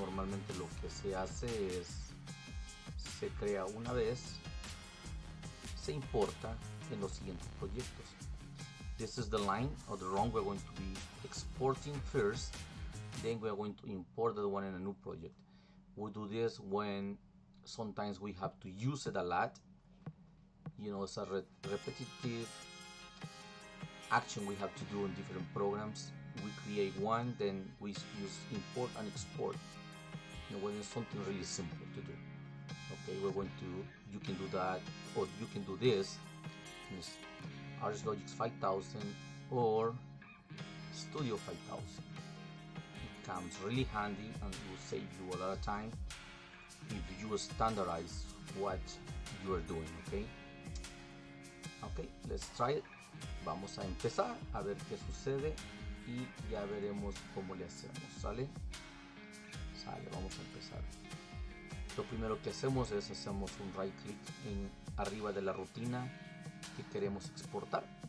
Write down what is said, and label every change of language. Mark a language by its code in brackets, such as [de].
[es] Normalmente lo que se hace es, se crea una vez, se importa en los siguientes proyectos. [en] This is the line or the run we're going to be exporting first, then we are going to import the one in a new project. We do this when sometimes we have to use it a lot, you know, it's a repetitive action we have to do in different programs. We create one, then we use import and export, you know, when it's something really simple to do. Okay, we're going to, you can do that, or you can do this in this RS Logix 5000 or Studio 5000. It comes really handy and will save you a lot of time if you standardize what you are doing. Okay, let's try it. [es] Vamos a empezar a ver qué sucede y ya veremos cómo le hacemos. Sale, vamos a empezar. Lo primero que hacemos es hacemos un right click en arriba de la rutina que queremos exportar.